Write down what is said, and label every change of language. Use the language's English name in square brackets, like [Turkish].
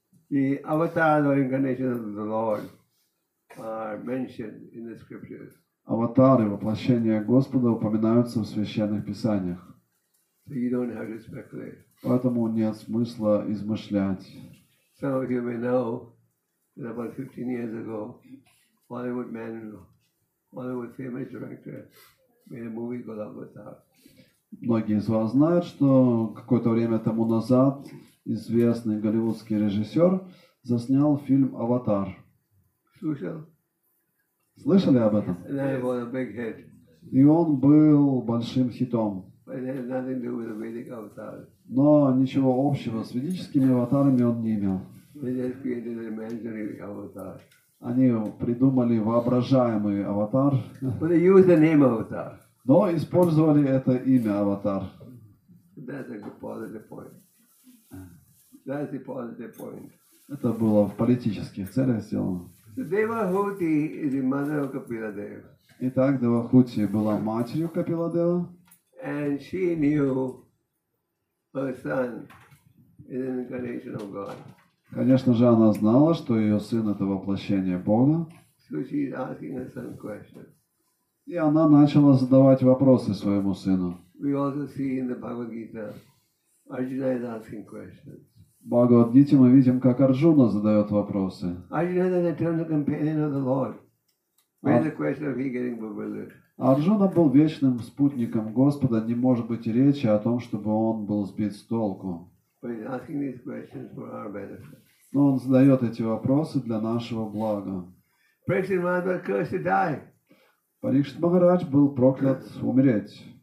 [English] The avatars or incarnations of the Lord are mentioned in the scriptures. [Russian] Аватары, воплощения Господа, упоминаются в священных писаниях. [English] So you don't have to speculate. [Russian] Поэтому нет смысла измышлять. [English] Some of you may know that about 15 years ago, Hollywood famous director made a movie called Avatar. [Russian] Многие из вас знают, что какое-то время тому назад известный голливудский режиссер заснял фильм Аватар. Слышали об этом? [English] And then it was a big hit. [Russian] И он был большим хитом. [English] But it had nothing to do with the Vedic avatars. [Russian] Но ничего общего с ведическими аватарами он не имел. [English] They just created an imaginary avatar. [Russian] Они придумали воображаемый аватар. [English] But they used the name avatar. [Russian] Но использовали это имя аватар. [English] That's a positive point. That's a positive point. [Russian] Это было в политических целях сделано. [English] So Devahuti is the mother of Kapila Dev. [Russian] Итак, Девахути была матерью Капила Дева. [English] And she knew her son is an incarnation of God. [Russian] Конечно же, она знала, что ее сын это воплощение Бога. [English] So she is asking her son questions. [Russian] И она начала задавать вопросы своему сыну. [English] We also see in the Bhagavad Gita, Arjuna is asking questions. [Russian] В Бхагавад Гите мы видим, как Арджуна задает вопросы. [English] Arjuna is an eternal companion of the Lord. Where is the question of he getting bewildered? [Russian] Арджуна был вечным спутником Господа, не может быть и речи о том, чтобы он был сбит с толку. Но он задает эти вопросы для нашего блага. Парикшит Махарадж был проклят умереть.